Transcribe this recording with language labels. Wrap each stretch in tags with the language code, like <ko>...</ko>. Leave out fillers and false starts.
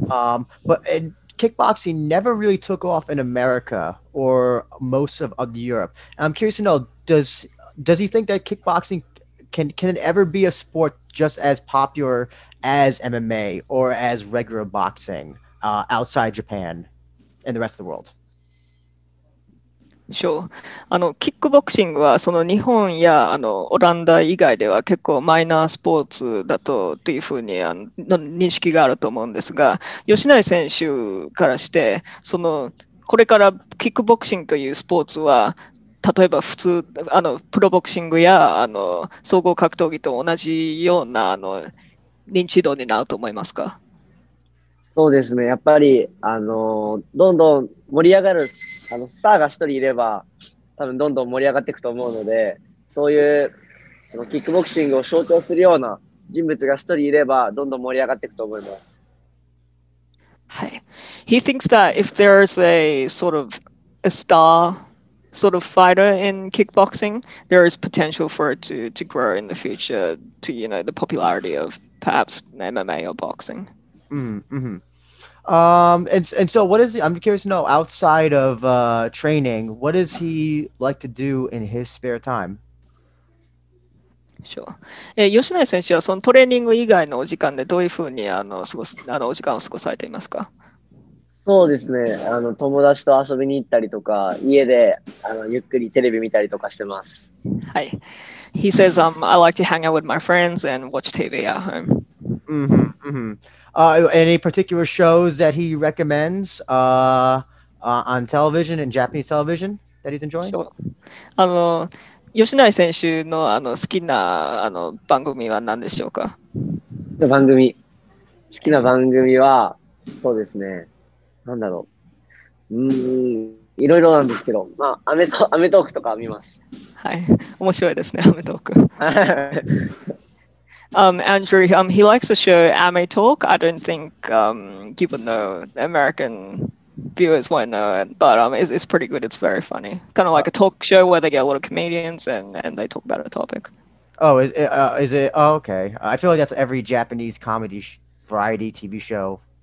<en>But kickboxing never really took off in America or most of Europe. And I'm curious to know, does he think that kickboxing can it ever be a sport just as popular as MMA or as regular boxing outside Japan and the rest of the world?</en> <ja>そう、あのキックボクシングはその日本やあのオランダ以外では結構マイナースポーツだとというふうにあの認識があると思うんですが、吉成選手からしてそのこれからキックボクシングというスポーツは例えば普通あのプロボクシングやあの総合格闘技と同じようなあの認知度になると思いますか？そうですね、やっぱりあのどんどん盛り上がるあのスターが一人いれば多分どんどん盛り上がっていくと思うので、そういうそのキックボクシングを象徴するような人物が一人いればどんどん盛り上がっていくと思います。</ja> <en>はい、He thinks that if there's a sort of a star sort of fighter in kickboxing, there is potential for it to grow in the future to, you know, the popularity of perhaps MMA or boxing. Mm-hmm. And so what is he, I'm curious to know, outside of training, what does he like to do in his spare time? Sure.</en> <ja>吉成選手はそのトレーニング以外のお時間でどういうふうにあの過ごす、あのお時間を過ごされていますか？そうですね、あの友達と遊びに行ったりとか、家であのゆっくりテレビ見たりとかしてます。</ja> <en>はい、 He says I like to hang out with my friends and watch TV at home. Mm-hmm, mm-hmm. Any particular shows that he recommends on television and Japanese television that he's enjoying? Sure.</en> <ja>あの吉成選手のあの好きなあの番組は何でしょうか？番組、好きな番組はそうですね、なんだろう、いろいろなんですけど、まあアメトークとか見ます。はい、面白いですね、アメトーク。</ja> <en>Andrew, he likes the show Ame Talk. I don't think people know, American viewers won't know it, but it's pretty good. It's very funny. Kind of like a talk show where they get a lot of comedians and they talk about a topic. Oh, is it? Oh, okay. I feel like that's every Japanese comedy variety TV show.</en>